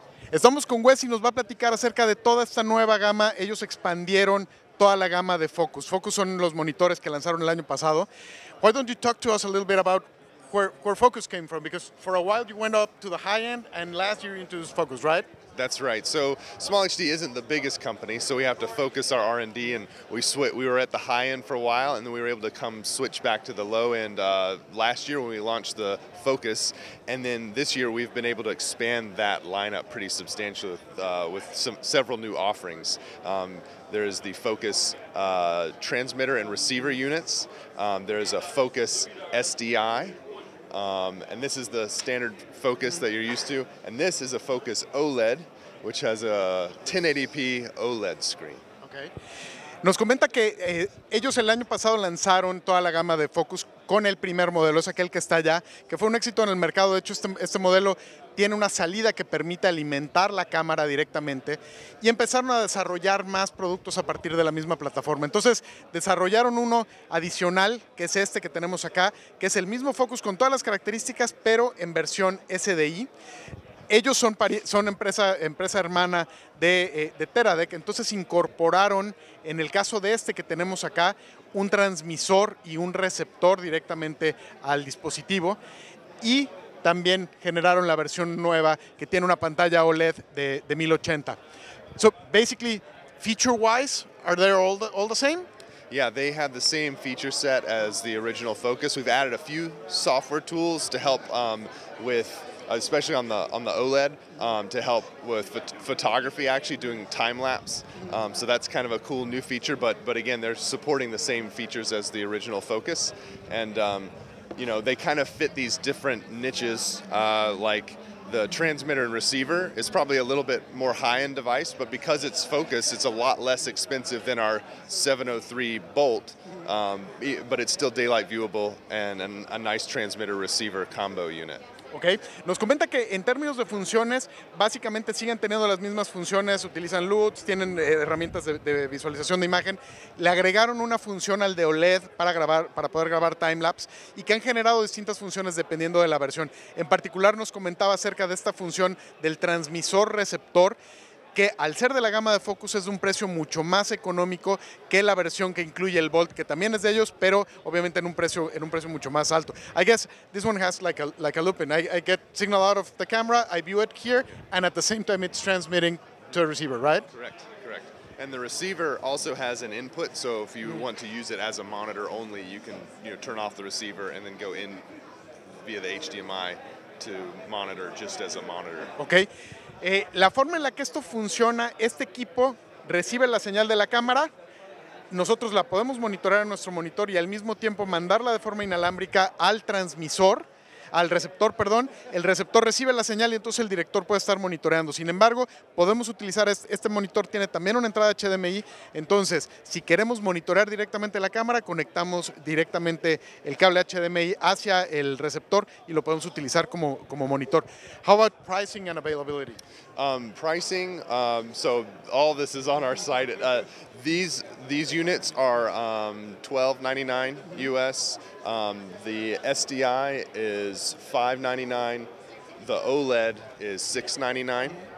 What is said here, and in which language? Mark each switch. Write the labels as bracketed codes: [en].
[es] Estamos con Wes y nos va a platicar acerca de toda esta nueva gama. Ellos expandieron toda la gama de Focus. Focus son los monitores que lanzaron el año pasado. [en] Why don't you talk to us a little bit about where Focus came from? Because for a while you went up to the high end and last year you introduced Focus, right? That's right. So Small HD isn't the biggest company, so we have to focus our R&D, and we were at the high end for a while, and then we were able to come switch back to the low end last year when we launched the Focus, and then this year we've been able to expand that lineup pretty substantially with several new offerings. There is the Focus transmitter and receiver units. There is a Focus SDI. And this is the standard Focus that you're used to. And this is a Focus OLED, which has a 1080p OLED screen. Okay. [es] Nos comenta que ellos el año pasado lanzaron toda la gama de Focus con el primer modelo, es aquel que está allá, que fue un éxito en el mercado. De hecho, este modelo tiene una salida que permite alimentar la cámara directamente y empezaron a desarrollar más productos a partir de la misma plataforma. Entonces, desarrollaron uno adicional, que es este que tenemos acá, que es el mismo Focus con todas las características, pero en versión SDI. Ellos son empresa hermana de Teradek, entonces incorporaron, en el caso de este que tenemos acá, un transmisor y un receptor directamente al dispositivo y también generaron la versión nueva que tiene una pantalla OLED de 1080. [en] So basically, feature-wise, are they all the same? Yeah, they have the same feature set as the original Focus. We've added a few software tools to help with, especially on the OLED, to help with photography, actually doing time lapse. So that's kind of a cool new feature. But again, they're supporting the same features as the original Focus, and you know, they kind of fit these different niches. Like the transmitter and receiver is probably a little bit more high-end device, but because it's Focus, it's a lot less expensive than our 703 Bolt. But it's still daylight viewable and a nice transmitter receiver combo unit. Okay. [es] Nos comenta que en términos de funciones, básicamente siguen teniendo las mismas funciones, utilizan LUTs, tienen herramientas de visualización de imagen. Le agregaron una función al de OLED para poder grabar time-lapse y que han generado distintas funciones dependiendo de la versión. En particular, nos comentaba acerca de esta función del transmisor-receptor, que al ser de la gama de Focus es de un precio mucho más económico que la versión que incluye el Bolt, que también es de ellos, pero obviamente en un precio mucho más alto. [en] I guess this one has like a looping. I get signal out of the camera, I view it here, and at the same time it's transmitting to a receiver, right? Correct, correct. And the receiver also has an input, so if you want to use it as a monitor only, you can, you know, turn off the receiver and then go in via the HDMI to monitor just as a monitor. Okay. [es] La forma en la que esto funciona, este equipo recibe la señal de la cámara, nosotros la podemos monitorear en nuestro monitor y al mismo tiempo mandarla de forma inalámbrica al receptor, el receptor recibe la señal y entonces el director puede estar monitoreando. Sin embargo, podemos utilizar este monitor, tiene también una entrada HDMI, entonces si queremos monitorear directamente la cámara, conectamos directamente el cable HDMI hacia el receptor y lo podemos utilizar como monitor. [en] How about pricing and availability? So all this is on our site. These units are $1,299 US. The SDI is $599. The OLED is $699.